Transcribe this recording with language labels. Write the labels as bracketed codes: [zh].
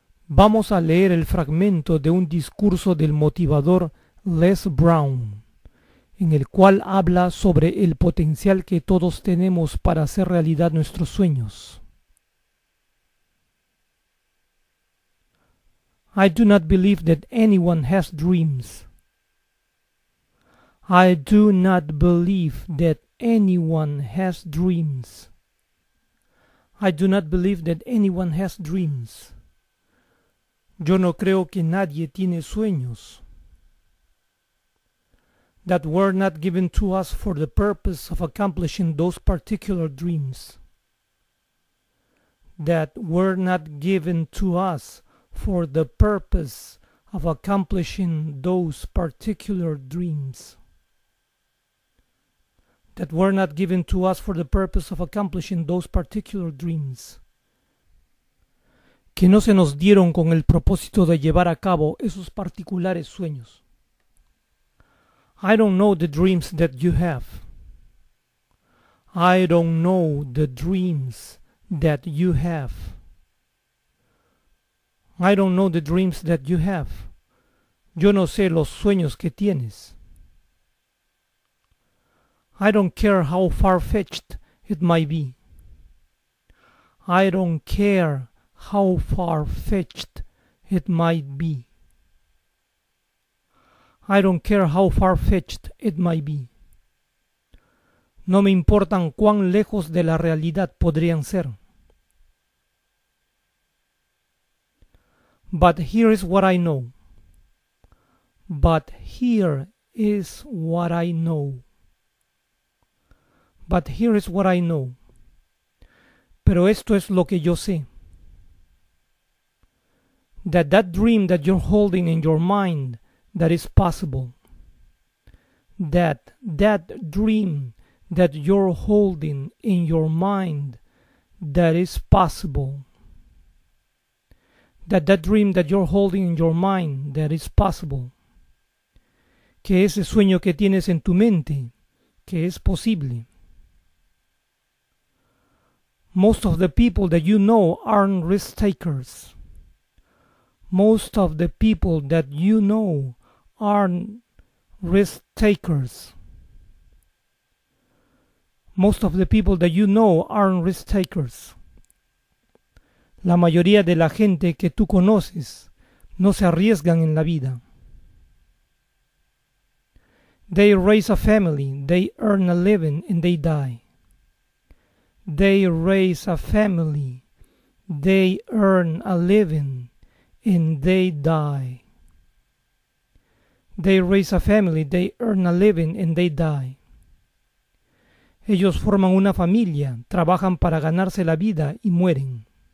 [es] Vamos a leer el fragmento de un discurso del motivador Les Brown, en el cual habla sobre el potencial que todos tenemos para hacer realidad nuestros sueños. [en] I do not believe that anyone has dreams. I do not believe that anyone has dreams. I do not believe that anyone has dreams. [es] Yo no creo que nadie tiene sueños. [en] That were not given to us for the purpose of accomplishing those particular dreams. That were not given to us for the purpose of accomplishing those particular dreams. That were not given to us for the purpose of accomplishing those particular dreams. [es] Que no se nos dieron con el propósito de llevar a cabo esos particulares sueños. [en] I don't know the dreams that you have. I don't know the dreams that you have. I don't know the dreams that you have. [es] Yo no sé los sueños que tienes. [en] I don't care how far-fetched it might be. I don't care how far-fetched it might be. I don't care how far-fetched it might be. [es] No me importan cuán lejos de la realidad podrían ser. [en] But here is what I know. But here is what I know. But here is what I know. [es] Pero esto es lo que yo sé. [en] That dream that you're holding in your mind, that is possible. That dream that you're holding in your mind, that is possible. That dream that you're holding in your mind, that is possible. [es] Que ese sueño que tienes en tu mente, que es posible. [en] Most of the people that you know aren't risk takers. Most of the people that you know aren't risk takers. Most of the people that you know aren't risk takers. [es] La mayoría de la gente que tú conoces no se arriesgan en la vida. [en] They raise a family, they earn a living, and they die. They raise a family, they earn a living, and they die. They raise a family, they earn a living, and they die. [es] Ellos forman una familia, trabajan para ganarse la vida y mueren.